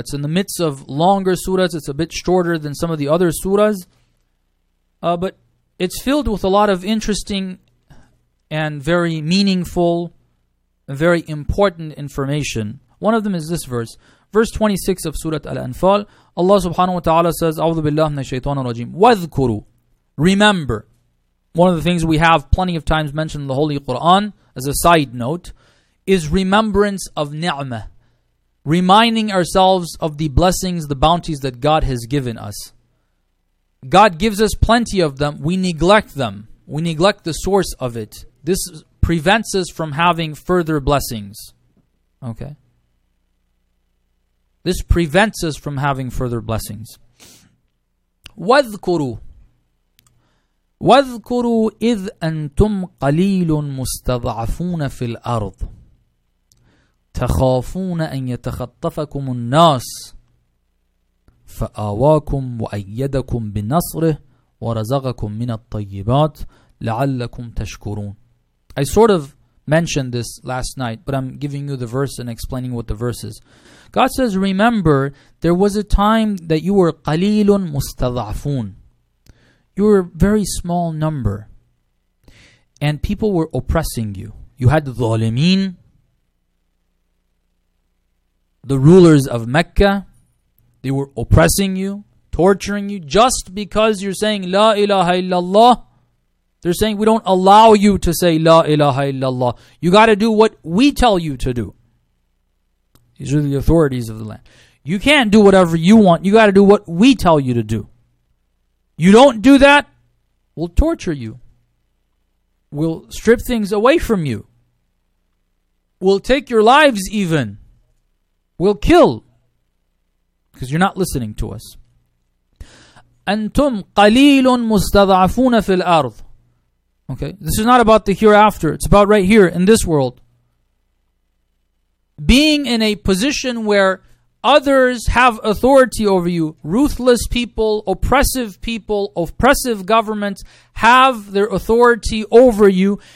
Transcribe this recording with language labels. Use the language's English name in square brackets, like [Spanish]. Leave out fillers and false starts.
[English] It's in the midst of longer surahs. It's a bit shorter than some of the other surahs. But it's filled with a lot of interesting and very meaningful, very important information. One of them is this verse. Verse 26 of Surah Al-Anfal. Allah subhanahu wa ta'ala says, [Arabic] أَعُوذُ بِاللَّهِ مِنَ الشَّيْطَانِ الرَّجِيمِ وَذْكُرُوا. [English] Remember. One of the things we have plenty of times mentioned in the Holy Quran, as a side note, is remembrance of ni'mah. Reminding ourselves of the blessings, the bounties that God has given us. God gives us plenty of them. We neglect them. We neglect the source of it. This prevents us from having further blessings. Okay? This prevents us from having further blessings. Wadhkuru. [Arabic] واذكروا إذ أنتم قليل مستضعفون في الأرض تخافون أن يتخطفكم الناس فآواكم وأيدكم بنصره ورزقكم من الطيبات لعلكم تشكرون. [English] I sort of mentioned this last night, but I'm giving you the verse and explaining what the verse is. God says, remember, there was a time that you were [Arabic] qalilun mustadhafun. [English] You were a very small number. And people were oppressing you. You had dhalimin, the rulers of Mecca. They were oppressing you, torturing you, just because you're saying, La ilaha illallah. They're saying, we don't allow you to say, La ilaha illallah. You got to do what we tell you to do. These are the authorities of the land. You can't do whatever you want. You got to do what we tell you to do. You don't do that, we'll torture you. We'll strip things away from you. We'll take your lives even. We'll kill. Because you're not listening to us. [Arabic] أنتم قليل مستضعفون في الأرض. [English] Okay, this is not about the hereafter. It's about right here in this world. Being in a position where others have authority over you. Ruthless people, oppressive governments have their authority over you.